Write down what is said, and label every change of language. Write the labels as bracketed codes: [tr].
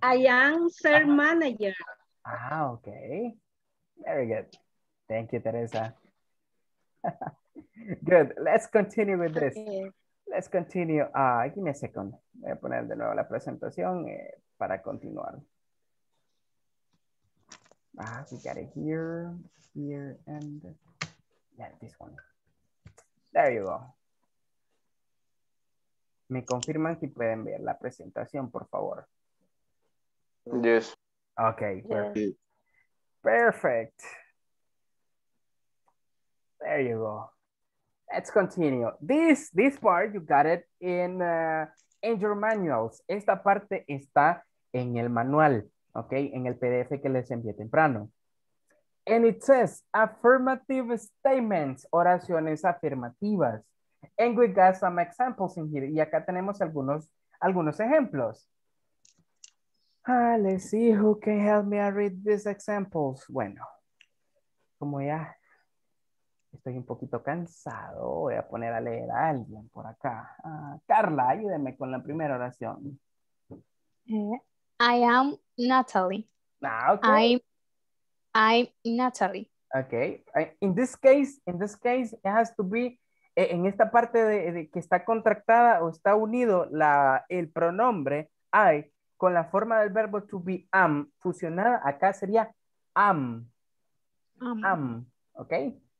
[en] I am their manager. Ah, ok. Very good. Thank you, Teresa. Good. Let's continue with this. Okay. Let's continue. Give me a second. [es] Voy a poner de nuevo la presentación para continuar. [en] We got it here, here, and yeah, this one. There you go. [es] ¿Me confirman si pueden ver la presentación, por favor? [en] Yes. Okay. Perfect. Yes. Perfect. There you go. Let's continue. This part, you got it in your manuals. [es] Esta parte está en el manual, okay? En el PDF que les envié temprano. [en] And it says affirmative statements, [es] oraciones afirmativas. [en] And we got some examples in here. [es] Y acá tenemos algunos ejemplos. [en] Let's see who can help me read these examples. [es] Bueno, como ya... Estoy un poquito cansado. Voy a poner a leer a alguien por acá. Carla, ayúdeme con la primera oración. [en] I am Natalie. Ah, okay. I'm Natalie. [es] Okay. [en] In this case, it has to be, [es] en esta parte de que está contractada o está unido el pronombre I con la forma del verbo to be am fusionada, acá sería am. Am. Okay.